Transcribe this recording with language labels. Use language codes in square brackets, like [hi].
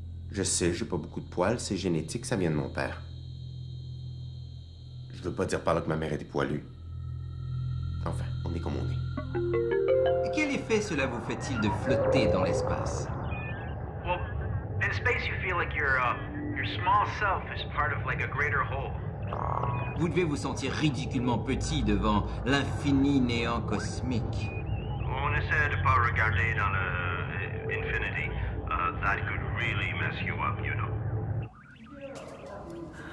[fr] Je sais, j'ai pas beaucoup de poils. C'est génétique, ça vient de mon père. Je veux pas dire par là que ma mère était poilue. Enfin, on est comme on est. Et quel effet cela vous fait-il de flotter dans l'espace? [en] Well, in space, you feel like you're, Your small self is part of like a greater whole. [fr] Vous devez vous sentir ridiculement petit devant l'infini néant cosmique. On essaie de pas regarder dans l'infinity. [en] That could really mess you up, you know.